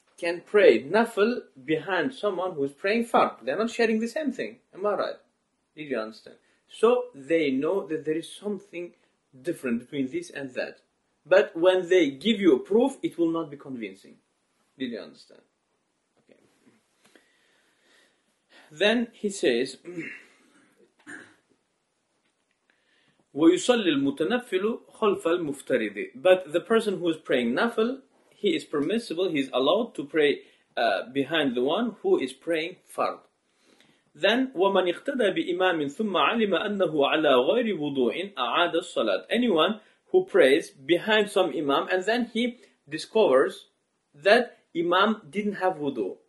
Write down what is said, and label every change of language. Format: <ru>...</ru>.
<en>can pray nafil behind someone who is praying fard. They're not sharing the same thing. Am I right? Did you understand? So they know that there is something different between this and that. But when they give you a proof, it will not be convincing. Did you understand? Okay. Then he says,</en> <ar>وَيُصَلِّ الْمُتَنَفِّلُ خَلْفَ الْمُفْتَرِدِ.</ar> <en>But the person who is praying nafil, he is permissible, he is allowed to pray behind the one who is praying fard. Then,</en> <ar>وَمَنْ اِقْتَدَى بِإِمَامٍ ثُمَّ عَلِمَ أَنَّهُ عَلَى غَيْرِ وُضُوءٍ أَعَادَ الصَّلَاةِ.</ar> <en>Anyone who prays behind some imam and then he discovers that imam didn't have wudu.</en>